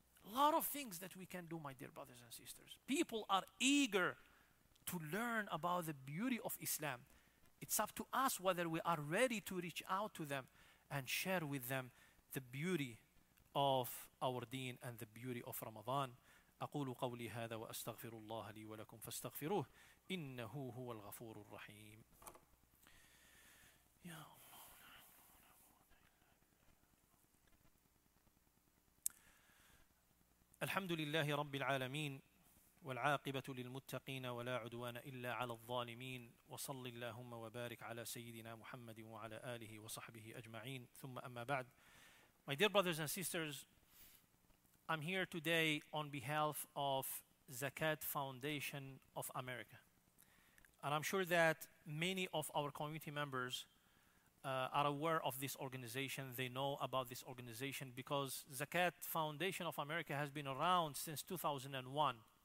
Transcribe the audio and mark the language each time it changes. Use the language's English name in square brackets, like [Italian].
[English] A lot of things that we can do, my dear brothers and sisters. People are eager to learn about the beauty of Islam. It's up to us whether we are ready to reach out to them and share with them the beauty of our deen and the beauty of Ramadan. [Arabic] أقول قولي هذا وأستغفر الله لي ولكم فاستغفروه إنه هو الغفور الرحيم. يا الله الحمد لله رب العالمين والعاقبة للمتقين ولا عدوان إلا على الظالمين وصل اللهم وبارك على سيدنا محمد وعلى آله وصحبه أجمعين ثم أما بعد. [English] My dear brothers and sisters, I'm here today on behalf of Zakat Foundation of America. And I'm sure that many of our community members are aware of this organization. They know about this organization because Zakat Foundation of America has been around since 2001.